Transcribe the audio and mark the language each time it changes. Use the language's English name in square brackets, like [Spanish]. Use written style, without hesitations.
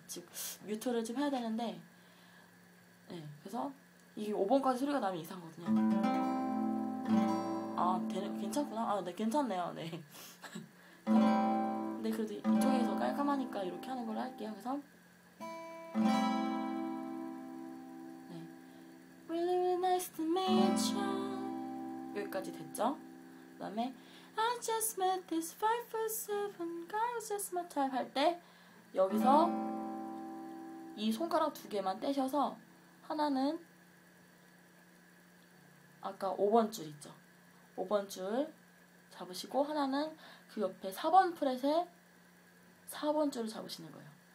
[Korean] 즉 뮤트를 좀 해야 되는데 네, 그래서 이게 5번까지 소리가 나면 이상하거든요. 아, 괜찮구나. 아, 네, 괜찮네요. 네. 근데 그래도 이쪽에서 깔끔하니까 이렇게 하는 걸 할게요. 그래서 네. [English] Really really nice to meet you. [Korean] 여기까지 됐죠? 그다음에 [English] I just met this 5'7 guy who's just my type [Korean] 할 때 여기서 이 손가락 두 개만 떼셔서 하나는 아까 5번 줄 있죠? 5번 줄 잡으시고 하나는 그 옆에 4번 프렛에 4번 줄을 잡으시는 거예요.